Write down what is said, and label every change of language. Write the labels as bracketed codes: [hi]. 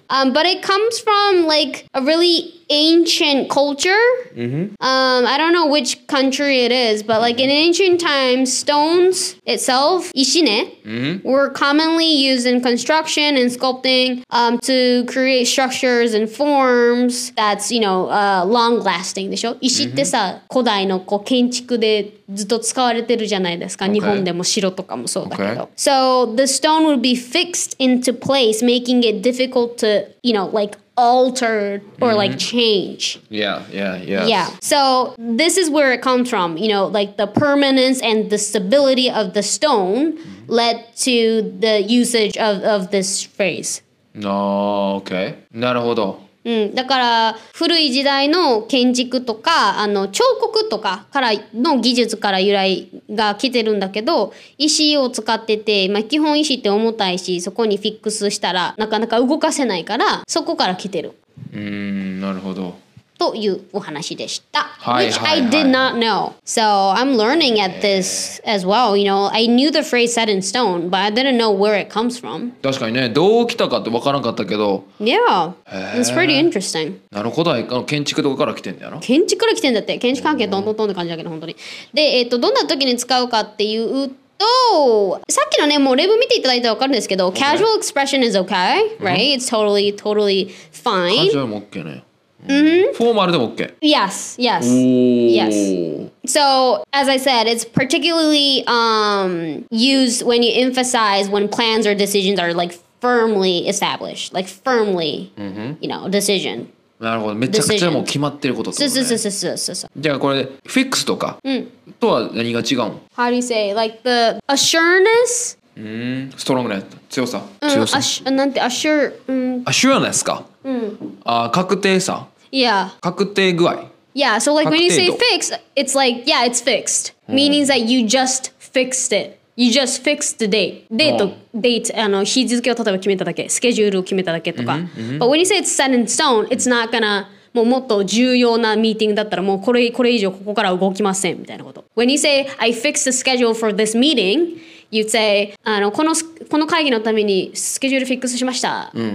[en] But it comes from like a really ancient culture.、I don't know which country it is, but like in ancient times, stones itself, [ja] 石ね、 [en] were commonly used in construction and sculpting to create structures and forms that's, you know, long-lasting [ja] でしょ石ってさ、古代のこう建築でずっと使われてるじゃないですか。 [en] Okay. [ja] 日本でも城とかもそうだけど。 [en] Okay. So the stone would be fixed into place, making it difficult to, you know, like alter or like change. Yeah. So this is where it comes from, you know, like the permanence and the stability of the stone led to the usage of this phrase. Okay. [ja] なるほど。だから古い時代の建築とか彫刻とかからの技術から由来が来てるんだけど石を使ってて、まあ、基本石って重たいしそこにフィックスしたらなかなか動かせないからそこから来てるなるほどというお話でした、はい、 [en] Which I did not know So I'm learning at this as well You know, I knew the phrase set in stone But I didn't know where it comes from [ja] 確かにね、どう来たかって分からなかったけど [en] Yeah, it's pretty interesting [ja] なるほど、建築とかから来てんだよな建築から来てんだって建築関係どんどんどんって感じだけど本当にで、どんな時に使うかっていうとさっきのね、もう例文見ていただいたら分かるんですけど、 [en] okay. Casual expression is okay, right?、うん、it's totally, totally fine [ja] カジュアルも OK ね [en] Formal でも OK. Yes, yes, yes. So, as I said, it's particularly used when you emphasize when plans or decisions are like firmly established, like firmly, you know, decision. [ja] なるほど、めちゃくちゃもう決まってることってことね。そうそうそうそうそう。じゃあこれ、fix とかとは何が違うの [en] How do you say? Like the assureness? [ja] ストロングなやつ強さ、なんてアシュアネスか確定さ [en] Yeah. [ja] 確定具合 [en] Yeah, so like when you say fixed, it's like, yeah, it's fixed. Meaning that you just fixed it. You just fixed the date. [ja] Date, あの、日付を例えば決めただけ、スケジュールを決めただけとか。 [en] But when you say it's set in stone, it's not gonna, [ja] もうもっと重要なミーティングだったらもうこれ以上ここから動きませんみたいなこと。 [en] When you say, I fixed the schedule for this meeting, you'd say, [ja] あの、この会議のためにスケジュールフィックスしました。